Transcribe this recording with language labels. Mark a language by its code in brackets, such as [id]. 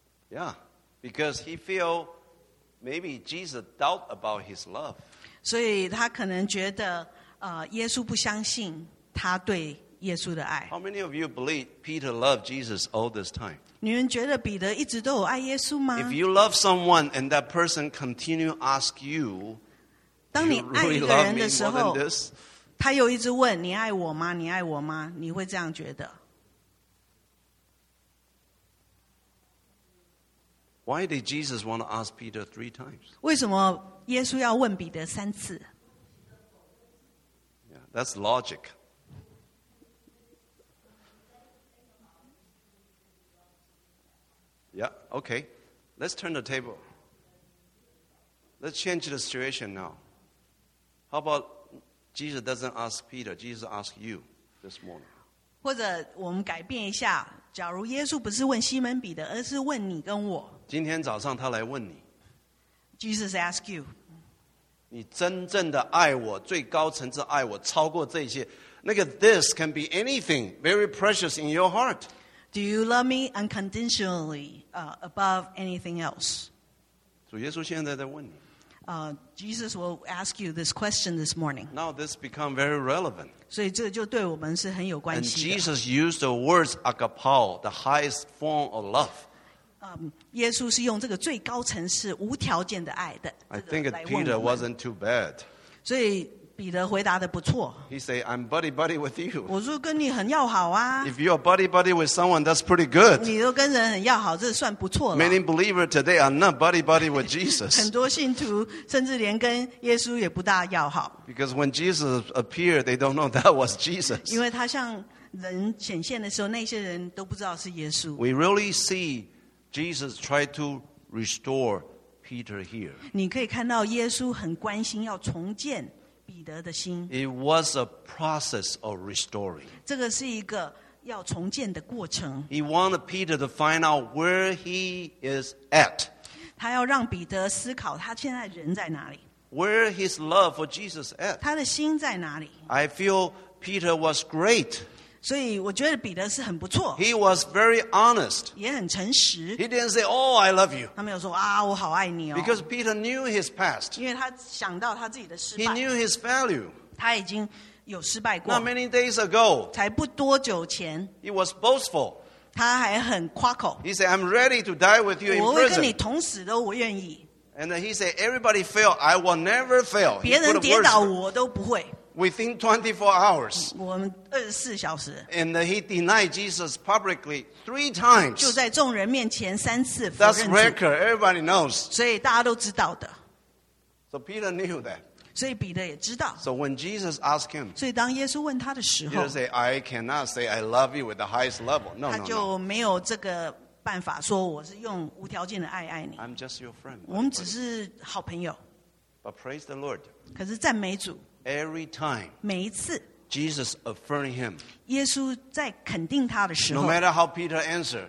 [en] Yeah, because he feel maybe Jesus doubt about his love. [zh] 所以他可能觉得耶稣不相信他对耶稣的爱。 [en] How many of you believe Peter loved Jesus all this time? [zh] 你们觉得彼得一直都有爱耶稣吗？ [en] If you love someone and that person continue ask you, [zh] 当你爱一个人的时候，他又一直问你爱我吗？你爱我吗？你会这样觉得？ [en] Why did Jesus want to ask Peter three times? [zh] 为什么耶稣要问彼得三次？ [en] That's logic. Yeah, okay. Let's turn the table. Let's change the situation now. How about Jesus doesn't ask Peter, Jesus asks you this morning. [zh] 或者我们改变一下，假如耶稣不是问西门彼得，而是问你跟我。今天早上他来问你。 [en] Jesus asks you. [zh] 你真正的爱我，最高层次爱我，超过这些。那个 this can be anything very precious in your heart. [en] Do you love me unconditionally, above anything else? [zh] 主耶稣现在在问你。 [en] Jesus will ask you this question this morning. Now this become very relevant. [zh] 所以这就对我们是很有关系的。 [en] And Jesus used the words agapao, the highest form of love. [zh] 耶稣是用这个最高层次无条件的爱的。 [en] I think Peter wasn't too bad. [zh] 所以彼得回答的不错。 [en] He said, I'm buddy buddy with you. [zh] 我说跟你很要好啊。 [en] If you're buddy buddy with someone, that's pretty good. [zh] 你都跟人很要好，这算不错了。 [en] Many believers today are not buddy buddy with Jesus. [zh] 很多信徒甚至连跟耶稣也不大要好。 [en] Because when Jesus appeared, they don't know that was Jesus. [zh] 因为他向人显现的时候，那些人都不知道是耶稣。 [en] We really see. Jesus tried to restore Peter here. [zh] 你可以看到耶稣很关心要重建彼得的心。 [en] It was a process of restoring. [zh] 这个是一个要重建的过程。 [en] He wanted Peter to find out where he is at. [zh] 他要让彼得思考他现在人在哪里。 [en] Where his love for Jesus at. [zh] 他的心在哪里。 [en] I feel Peter was great. [zh] 所以我觉得彼得是很不错。 [en] He was very honest. [zh] 也很诚实。 [en] He didn't say, "Oh, I love you." [zh] 他没有说啊，我好爱你哦。 [en] Because Peter knew his past. [zh] 因为他想到他自己的失败。 [en] He knew his failure. [zh] 他已经有失败过。 [en] Not many days ago. [zh] 才不多久前。 [en] He was boastful. [zh] 他还很夸口。 [en] He said, "I'm ready to die with you in prison." [zh] 我会跟你同死的，我愿意。 [en] And he said, "Everybody fail, I will never fail." [zh] 别人跌倒我都不会。 [en] Within 24 hours. [zh] 我们24小时。 [en] And he denied Jesus publicly three times. [zh] 就在众人面前三次否认。 [en] That's record. Everybody knows. [zh] 所以大家都知道的。 [en] So Peter knew that. [zh] 所以彼得也知道。 [en] So when Jesus asked him. [zh] 所以当耶稣问他的时候。 [en] Peter said, I cannot say I love you with the highest level. No, no, no. [zh] 他就没有这个办法说我是用无条件的爱爱你。 [en] I'm just your friend. [zh] 我们只是好朋友。 [en] But praise the Lord. [zh] 可是赞美主。 [en] Every time, [zh] 每一次 [en] Jesus affirmed him. [zh] 耶稣在肯定他的时候 [en] No matter how Peter answered,